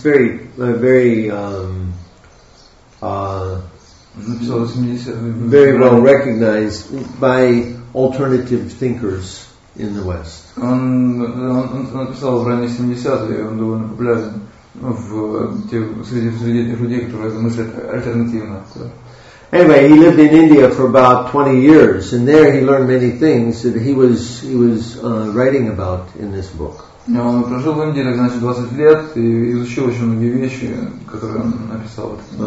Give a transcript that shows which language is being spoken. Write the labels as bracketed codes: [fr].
[en] It's very, very, very well recognized by alternative thinkers in the West. [ru] Он написал в ранние 70-е, он довольно популярен среди людей, которые мыслят альтернативно. [en] Anyway, he lived in India for about 20 years, and there he learned many things that he was writing about in this book. [ru] Он прожил в Индии, значит, 20 лет, и изучил очень многие вещи, которые он написал.